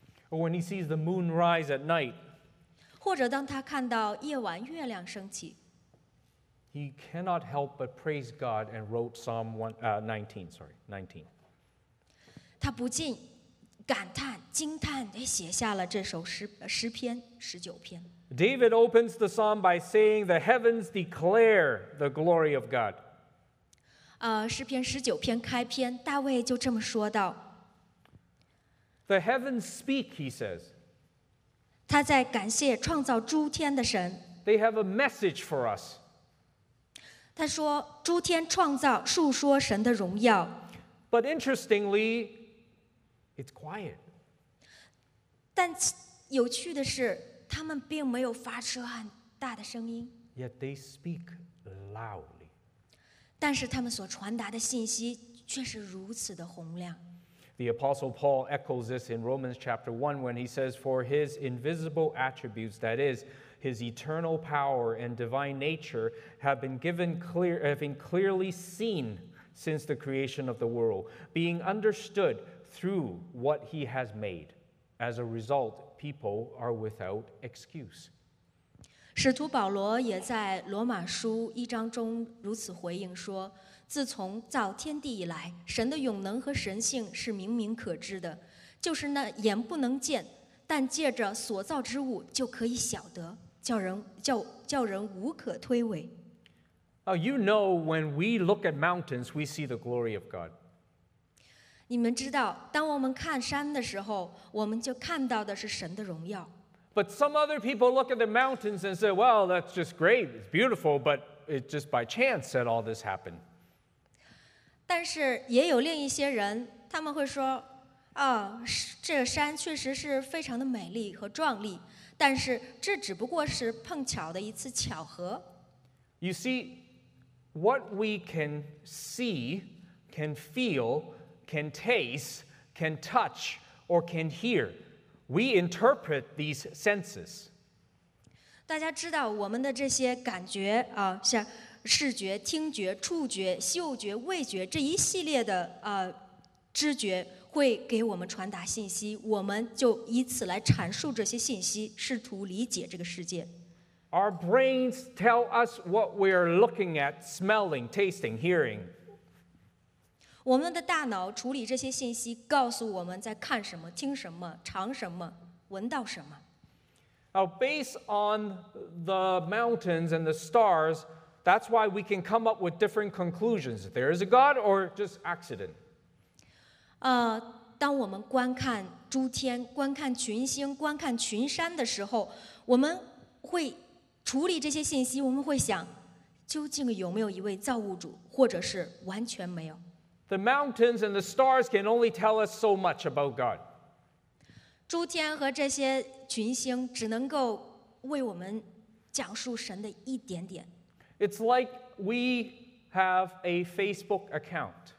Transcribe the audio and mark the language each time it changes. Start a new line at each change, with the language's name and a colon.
English: Or when he sees the moon rise at night.
Chinese: 或者当他看到夜晚月亮升起，
English: he cannot help but praise God and wrote Psalm 19.
Chinese: 他不禁感叹、惊叹，写下了这首诗篇十九篇。
English: David opens the psalm by saying, "The heavens declare the glory of God."
Chinese: 诗篇十九篇开篇，大卫就这么说道。
English: The heavens speak, he says.
Chinese: 他在感谢创造诸天的神。
English: They have a message for us.
Chinese: 他说，诸天创造，述说神的荣耀。
English: But interestingly, it's quiet.
Chinese: 但有趣的是，他们并没有发出很大的声音。
English: Yet they speak loudly.
Chinese: 但是他们所传达的信息却是如此的洪亮。
English: The Apostle Paul echoes this in Romans chapter 1 when he says, For his invisible attributes, that is, his eternal power and divine nature, have been clearly seen since the creation of the world, being understood through what he has made. As a result, people are without excuse.
Chinese: 使徒保罗也在罗马书一章中如此回应说，自从造天地以来，神的永能和神性是明明可知的，就是那眼不能见，但借着所造之物就可以晓得，叫人无可推诿。
English: Oh, you know, when we look at mountains, we see the glory of God.
Chinese: 你们知道，当我们看山的时候，我们就看到的是神的荣耀。
English: But some other people look at the mountains and say, "Well, that's just great. It's beautiful, but it just by chance that all this happened."
Chinese: 但是也有另一些人，他们会说，这山确实是非常的美丽和壮丽，但是这只不过是碰巧的一次巧合。
English: You see, what we can see, can feel, can taste, can touch, or can hear, we interpret these senses.
Chinese: 大家知道我们的这些感觉啊，像视觉、听觉、触觉、嗅觉、味觉这一系列的知觉会给我们传达信息，我们就以此来阐述这些信息，试图理解这个世界。
English: Our brains tell us what we are looking at, smelling, tasting, hearing.
Chinese: 我们的大脑处理这些信息，告诉我们在看什么、听什么、尝什么、闻到什么。
English: Now, based on the mountains and the stars, that's why we can come up with different conclusions. There is a God or just accident.
Chinese: 当我们观看诸天、观看群星、观看群山的时候，我们会处理这些信息，我们会想，究竟有没有一位造物主，或者是完全没有。
English: The mountains and the stars can only tell us so much about God.
Chinese: 诸天和这些群星只能够为我们讲述神的一点点。
English: It's like we have a Facebook account.